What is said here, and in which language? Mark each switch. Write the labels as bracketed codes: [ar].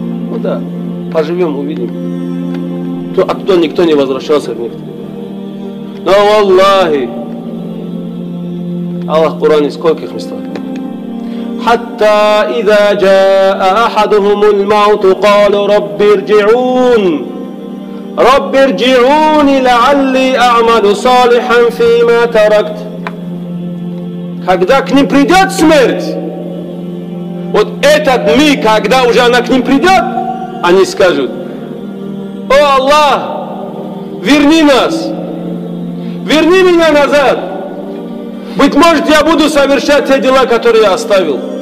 [ru] Ну да, поживем, увидим. Оттуда никто не возвращался в них. Но валлахи. Аллах в Коране скольких местах? [ar] Хатта иза джаа ахадухумул мауту, каалу рабби ирджиун. رب ارجعوني لعلي اعمل صالحا فيما تركت. [ru] Когда к ним придет смерть, вот этот миг, когда уже она к ним придет, они скажут: о Аллах, верни нас, верни меня назад, быть может, я буду совершать те дела, которые я оставил.